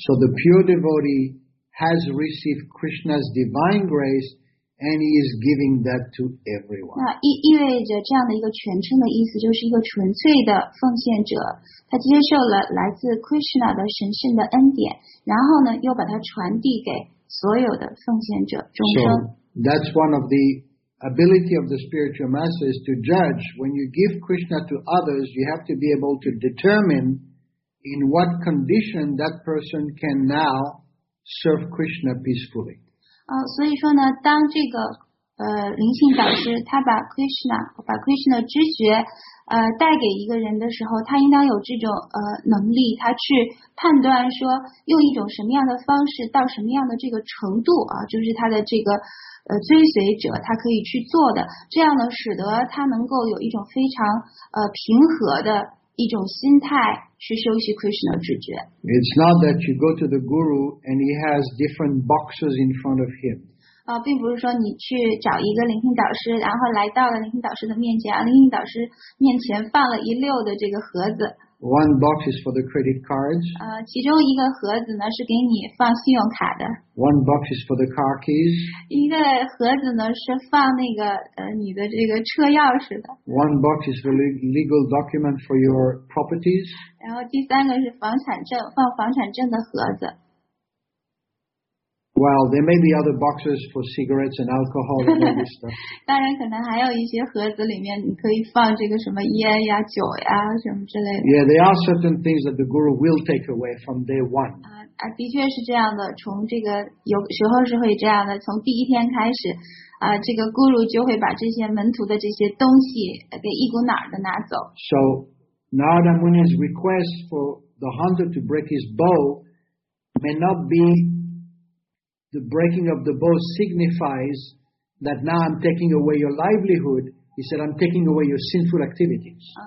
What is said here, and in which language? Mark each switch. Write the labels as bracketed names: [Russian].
[English] So the pure devotee has received Krishna's divine grace. And he is giving that to everyone. [Chinese] 那意味着这样的一个全称的意思，就是一个纯粹的奉献者，他接受了来自 Krishna 的神圣的恩典，然后呢，又把它传递给所有的奉献者众生。 [English] So that's one of the ability of the spiritual master is to judge. When you give Krishna to others, you have to be able to determine in what condition that person can now serve Krishna peacefully. [Chinese] 所以说呢，当这个灵性导师，他把 Krishna 把 Krishna 的知觉带给一个人的时候，他应当有这种能力，他去判断说用一种什么样的方式到什么样的这个程度啊，就是他的这个追随者他可以去做的，这样呢使得他能够有一种非常平和的一种心态去修习 Krishna 的知觉。 [English] It's not that you go to the guru and he has different boxes in front of him. [Chinese] 并不是说你去找一个聆听导师，然后来到了聆听导师的面前，聆听导师面前放了一溜的这个盒子。 [English] One box is for the credit cards. [Chinese] 其中一个盒子呢是给你放信用卡的。 [English] One box is for the car keys. [Chinese] 一个盒子呢是放那个你的这个车钥匙的。 [English] One box is the legal document for your properties. [Chinese] 然后第三个是房产证，放房产证的盒子。 [English] Well, there may be other boxes for cigarettes and alcohol and other stuff. [Chinese] 当然，可能还有一些盒子里面你可以放这个什么烟呀、酒呀什么之类的。 [English] Yeah, there are certain things that the guru will take away from day one. [Chinese] 的确是这样的。从这个有时候是会这样的。从第一天开始，这个 guru 就会把这些门徒的这些东西给一股脑的拿走。 [English] So, Narada Muni's request for the hunter to break his bow may not be. The breaking of the bow signifies that now I'm taking away your livelihood. He said, I'm taking away your sinful activities.